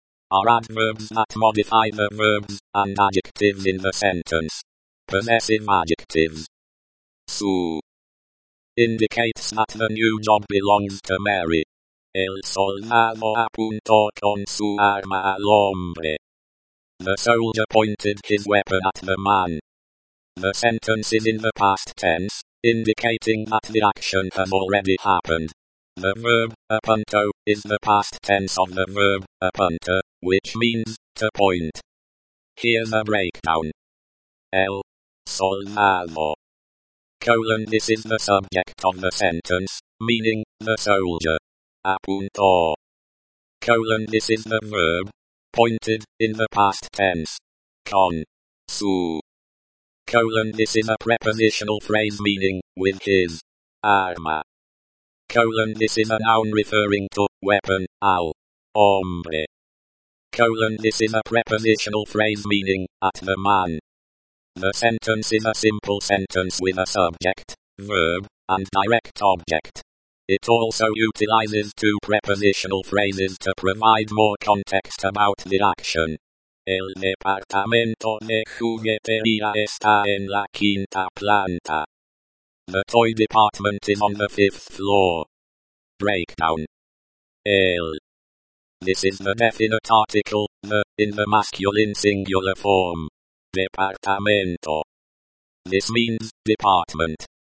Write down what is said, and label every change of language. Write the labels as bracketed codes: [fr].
[en] Are adverbs that modify the verbs and adjectives in the sentence. Possessive adjectives. Su. Indicates that the new job belongs to Mary. [es] El soldado apuntó con su arma al hombre. [en] The soldier pointed his weapon at the man. The sentence is in the past tense, indicating that the action has already happened. The verb, appunto, is the past tense of the verb, appunta, which means, to point. Here's a breakdown. [es] El soldado. [en] Colon, this is the subject of the sentence, meaning, the soldier. Apunto. Colon, this is the verb, pointed, in the past tense. [es] Con su. [en] Colon, this is a prepositional phrase meaning, with his arma. Colon, this is a noun referring to, weapon, [es] al hombre. [en] Colon, this is a prepositional phrase meaning, at the man. The sentence is a simple sentence with a subject, verb, and direct object. It also utilizes two prepositional phrases to provide more context about the action. [es] El departamento de juguetería está en la quinta planta. [en] The toy department is on the fifth floor. Breakdown. El. This is the definite article, the, in the masculine singular form. Departamento. This means, department.